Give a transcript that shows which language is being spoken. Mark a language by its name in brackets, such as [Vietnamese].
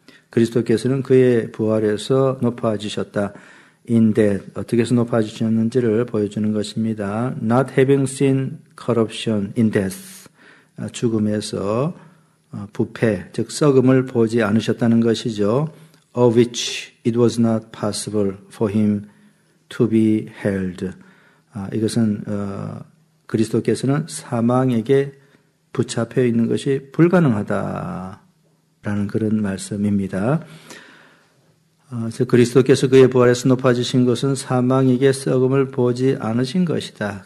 [Korean] 그리스도께서는 그의 부활에서 높아지셨다. [English] In death. [Korean] 어떻게 해서 높아지셨는지를 보여주는 것입니다. [English] Not having seen corruption in death. [Korean] 죽음에서 부패, 즉 썩음을 보지 않으셨다는 것이죠. [English] Of which it was not possible for him to be held. [Korean] 이것은 그리스도께서는 사망에게 붙잡혀 있는 것이 불가능하다라는 그런 말씀입니다. 즉 그리스도께서 그의 부활에서 높아지신 것은 사망에게 썩음을 보지 않으신 것이다.